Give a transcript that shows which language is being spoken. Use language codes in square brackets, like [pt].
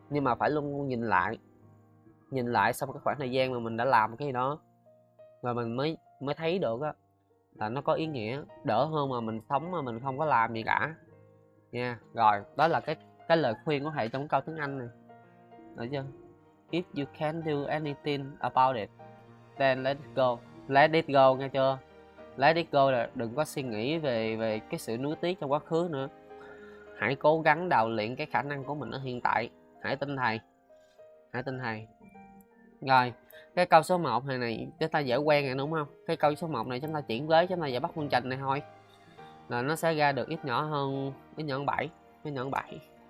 [vi] Nhưng mà phải luôn nhìn lại sau cái khoảng thời gian mà mình đã làm cái gì đó rồi mình mới mới thấy được á, là nó có ý nghĩa, đỡ hơn mà mình sống mà mình không có làm gì cả nha. Rồi đó là cái lời khuyên của thầy trong câu tiếng Anh này, được chưa? [en] If you can do anything about it, then let it go. Let it go, [vi] nghe chưa? [en] Let it go [vi] là đừng có suy nghĩ về về cái sự nuối tiếc trong quá khứ nữa. Hãy cố gắng đào luyện cái khả năng của mình ở hiện tại. Hãy tin thầy. Hãy tin thầy. Rồi, cái câu số 1 này này chúng ta dễ quen rồi đúng không? Cái câu số 1 này chúng ta chuyển vế, chúng ta giải bắt phương trình này thôi. Là nó sẽ ra được ít nhỏ hơn ít nhỏ hơn 7, ít nhỏ hơn 7.